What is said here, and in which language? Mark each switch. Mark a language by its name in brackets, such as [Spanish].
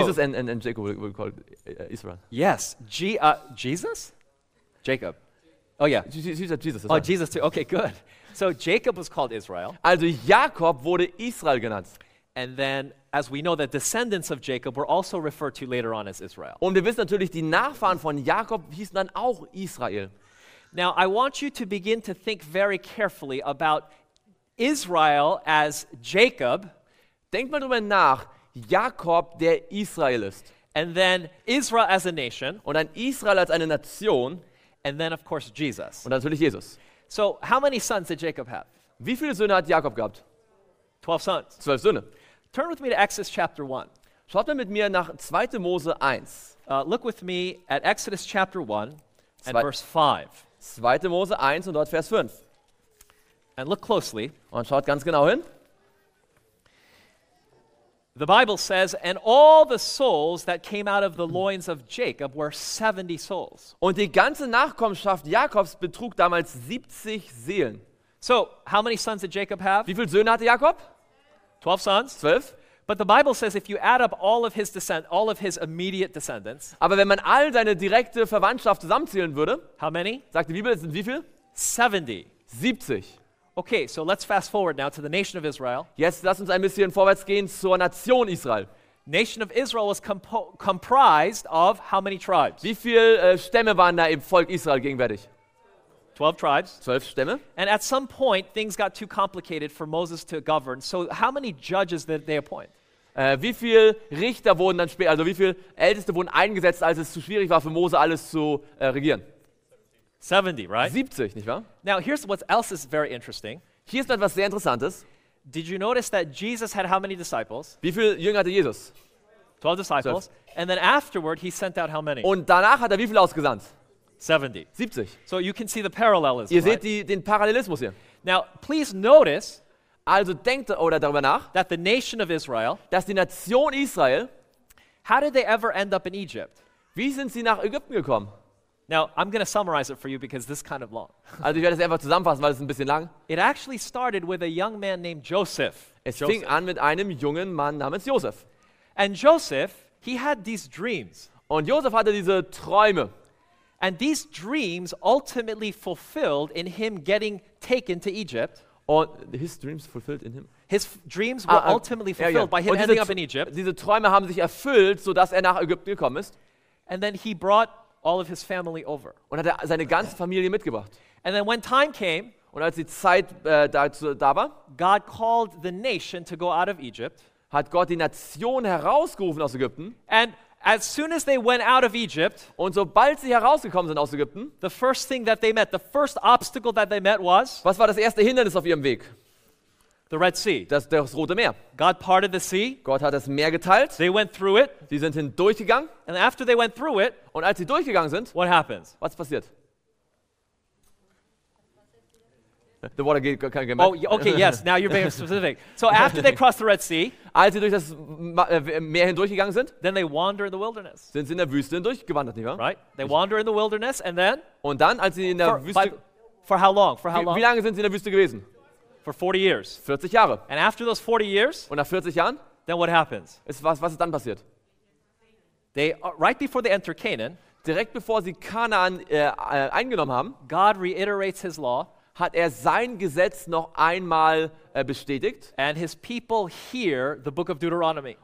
[English] Jesus and Jacob will call Israel. Yes, Jesus? Jacob. Oh yeah. Jesus. Oh, Jesus too. Okay, good. So Jacob was called Israel. [German] Also Jakob wurde Israel genannt. [English] And then as we know the descendants of Jacob were also referred to later on as Israel. [German] Und wir wissen natürlich, die Nachfahren von Jakob hießen dann auch Israel. [English] Now I want you to begin to think very carefully about Israel as Jacob. [German] Denk mal drüber nach. Jakob, der Israel ist. [English] And then Israel as a nation. [German] Und dann Israel als eine Nation. [English] And then of course Jesus. [German] Und natürlich Jesus. [English] So how many sons did Jacob have? [German] Wie viele Söhne hat Jakob gehabt? [English] 12 sons. [German] 12 Söhne. [English] Turn with me to Exodus chapter 1. [German] Schaut mal mit mir nach 2. Mose 1. [English] Look with me at Exodus chapter 1. And verse 5. [German] 2. Mose 1 und dort Vers 5. [English] And look closely. [German] Und schaut ganz genau hin. [English] The Bible says, and all the souls that came out of the loins of Jacob were 70 souls. [German] Und die ganze Nachkommenschaft Jakobs betrug damals 70 Seelen. [English] So, how many sons did Jacob have? [German] Wie viele Söhne hatte Jakob? [English] 12 sons. [German] 12. [English] But the Bible says if you add up all of his descent, all of his immediate descendants. [German] Aber wenn man all seine direkte Verwandtschaft zusammenzählen würde, [English] how many? [German] Sagt die Bibel, sind wie viel? [English] 70. [German] 70. [English] Okay, so let's fast forward now to the nation of Israel. [German] Jetzt lass uns ein bisschen vorwärts gehen zur Nation Israel. [English] Nation of Israel was comprised of how many tribes? [German] Wie viele Stämme waren da im Volk Israel gegenwärtig? [English] 12 tribes. [German] 12 Stämme. [English] And at some point things got too complicated for Moses to govern. So how many judges did they appoint? [German] Wie viele Richter wurden dann später, also wie viele Älteste wurden eingesetzt, als es zu schwierig war für Mose alles zu regieren? [English] 70, right? [German] 70, nicht wahr? [English] Now here's what else is very interesting. [German] Hier ist etwas sehr Interessantes. [English] Did you notice that Jesus had how many disciples? [German] Wie viele Jünger hatte Jesus? [English] 12 disciples. 12. And then afterward he sent out how many? [German] Und danach hat wie viele ausgesandt? [English] 70. [German] Siebzig. [English] So you can see the parallelism. [German] Ihr seht [English] right? [German] den Parallelismus hier. [English] Now please notice [German] Also denkt oder darüber nach, [English] that the nation of Israel, [German] dass die Nation Israel, [English] how did they ever end up in Egypt? [German] Wie sind sie nach Ägypten gekommen? [English] Now, I'm going to summarize it for you because this is kind of long. [German] Also, ich werde es einfach zusammenfassen, weil es ein bisschen lang. [English] It actually started with a young man named Joseph. [German] Es fing an mit einem jungen Mann namens Joseph. [English] And Joseph, he had these dreams. [German] Und Joseph hatte diese Träume. [English] And these dreams ultimately fulfilled in him getting taken to Egypt. Und his dreams fulfilled in him. His dreams were ultimately fulfilled by him ending up in Egypt. [German] Diese Träume haben sich erfüllt, so dass er nach Ägypten gekommen ist. [English] And then he brought all of his family over. [German] Und hat seine ganze Familie mitgebracht. [English] And then when time came, [German] und als die Zeit da war, [English] God called the nation to go out of Egypt. [German] Hat Gott die Nation herausgerufen aus Ägypten. [English] And as soon as they went out of Egypt, [German] und sobald sie herausgekommen sind aus Ägypten, [English] the first thing that they met, the first obstacle that they met was, [German] was war das erste Hindernis auf ihrem Weg? [English] The Red Sea. [German] Das Rote Meer. [English] God parted the sea. [German] Gott hat das Meer geteilt. [English] They went through it. [German] Sie sind hindurchgegangen. [English] And after they went through it, [German] und als sie durchgegangen sind, [English] what happens? [German] Was passiert? [English] The water can't get back. Oh, okay, yes. Now you're being specific. So after they crossed the Red Sea, [German] als sie durch das Meer hindurchgegangen sind, [English] then they wander in the wilderness. [German] Sind sie in der Wüste hindurchgewandert, nicht wahr? [English] Right. They wander in the wilderness and then. [German] Und dann, als sie in der Wüste. [English] For how long? For how long? [German] Wie lange sind sie in der Wüste gewesen? [English] For 40 years. [German] 40 Jahre. [English] And after those 40 years, [German] und nach 40 Jahren, [English] then what happens? [German] Was ist dann passiert? [English] They right before they enter Canaan, [German] direkt bevor sie Kanaan eingenommen haben, [English] God reiterates his law, [German] hat er sein Gesetz noch einmal bestätigt, [English] and his people hear the book of Deuteronomy.